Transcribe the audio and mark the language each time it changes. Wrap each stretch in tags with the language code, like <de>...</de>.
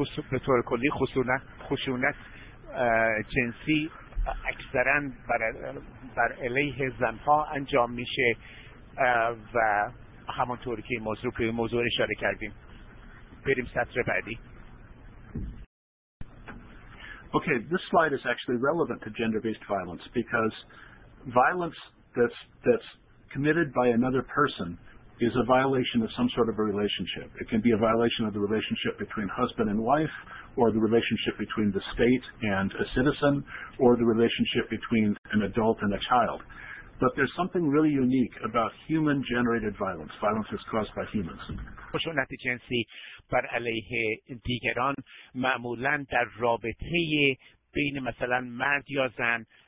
<fa>به طور کلی خشونت جنسی اکثراً بر علیه زنها انجام میشه و همانطوری که موضوع اشاره کردیم. بریم سطر بعدی.</fa> <en>Okay, this slide is actually relevant to gender-based violence because violence that's committed by another person is a violation of some sort of a relationship. It can be a violation of the relationship between husband and wife, or the relationship between the state and a citizen, or the relationship between an adult and a child. But there's something really unique about human-generated violence. Violence is caused by humans.</en> <fa>خشونت جنسی بر علیه دیگران معمولا در رابطه بین مثلا مرد یا زن،</fa>